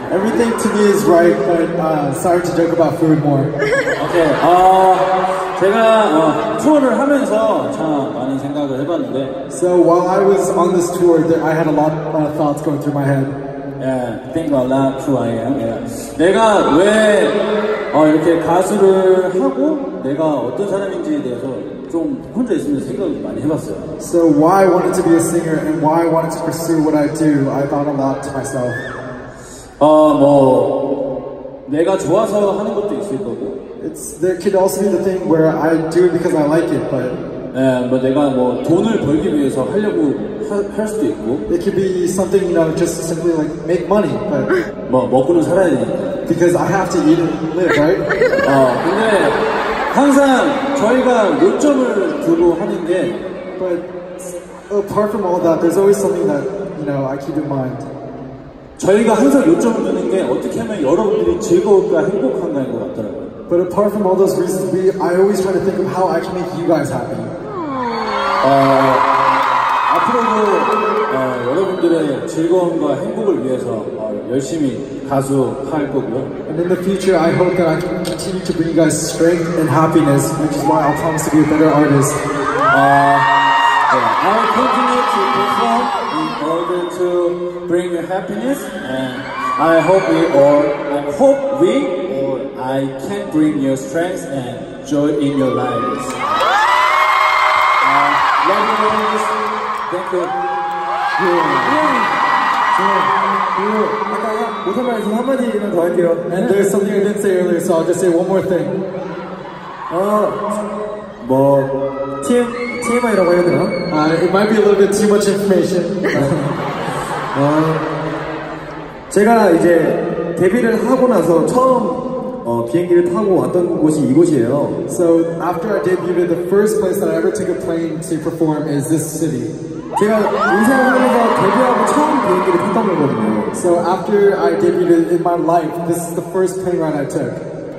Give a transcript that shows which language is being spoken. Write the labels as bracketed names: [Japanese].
[English] Everything to me is right, but sorry to joke about food more. Okay. [Korean] 제가 투어를 하면서 참 많은 생각을 해봤는데. [English] So while I was on this tour, I had a lot of thoughts going through my head. Yeah, think about that, who I am. Yeah. [Korean] 내가 왜 이렇게 가수를 하고 내가 어떤 사람인지에 대해서 좀 혼자 있으면서 생각을 많이 해봤어요. [English] So why I wanted to be a singer and why I wanted to pursue what I do, I thought a lot to myself. [Korean] 뭐 내가 좋아서 하는 것도 있을 거고. [English] It's there could also be the thing where I do it because I like it, but. [Korean] 예, 뭐 내가 뭐 돈을 벌기 위해서 하려고 할 수도 있고. [English] It could be something, you know, just simply like make money, but. [Korean] 뭐 먹고는 살아야 되니까. [English] Because I have to eat and live, right? [Korean] 근데 항상 저희가 요점을 두고 하는 게. [English] But apart from all that, there's always something that you know I keep in mind. [Korean] 저희가 항상 요점을 두는 게 어떻게 하면 여러분들이 즐거울까 행복한가인 것 같더라고요. [English] But apart from all those reasons, I always try to think of how I can make you guys happy. [Korean] 앞으로도 여러분들의 즐거움과 행복을 위해서 열심히 가수 할 거고요. [English] And in the future, I hope that I can continue to bring you guys strength and happiness, which is why I'll promise to be a better artist. I will continue to perform in order to bring you happiness, and I can bring your strength and joy in your lives. Love you guys. Thank you. And there's something I didn't say earlier, so I'll just say one more thing. [Korean] TMI라고 해야 되나? [English] It might be a little bit too much information. [Korean] 제가 이제 데뷔를 하고 나서 처음 비행기를 타고 왔던 곳이 이곳이에요. [English] So after I debuted, the first place that I ever took a plane to perform is this city. 제가 인생에서 데뷔하고 처음 비행기를 탔던 거거든요. So after I debuted in my life, this is the first plane ride I took.